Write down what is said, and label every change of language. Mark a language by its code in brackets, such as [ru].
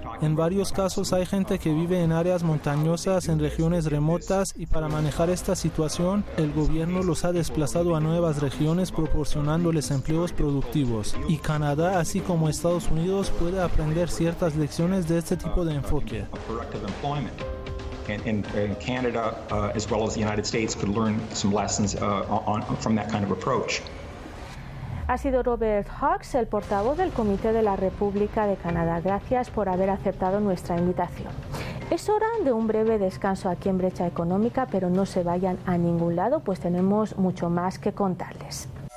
[es] En varios casos hay gente que vive en áreas montañosas, en regiones remotas, y para manejar esta situación, el gobierno los ha desplazado a nuevas regiones proporcionándoles empleos productivos. Y Canadá, así como Estados Unidos, puede aprender ciertas lecciones de este tipo de enfoque. [en] In Canada, as well as the United States, could learn some lessons from that kind of approach. [es] Ha sido Robert Hawkes, el portavoz del Comité de la República de Canadá. Gracias por haber aceptado nuestra invitación. Es hora de un breve descanso aquí en Brecha Económica, pero no se vayan a ningún lado, pues tenemos mucho más que contarles.